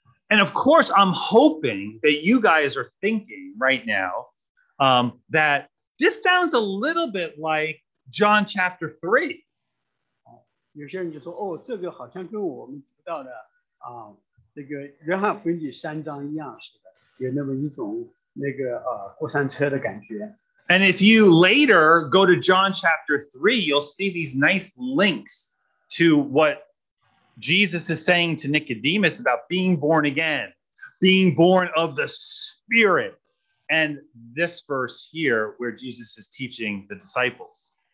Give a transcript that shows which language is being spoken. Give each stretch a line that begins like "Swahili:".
English: And of course, I'm hoping that you guys are thinking right now that this sounds a little bit like John chapter 3.
Chinese: 有些人就说，哦，这个好像跟我们读到的这个约翰福音第三章一样似的，有那么一种那个过山车的感觉。
English: And if you later go to John chapter 3, you'll see these nice links to what Jesus is saying to Nicodemus about being born again, being born of the Spirit, and this verse here where Jesus is teaching the disciples.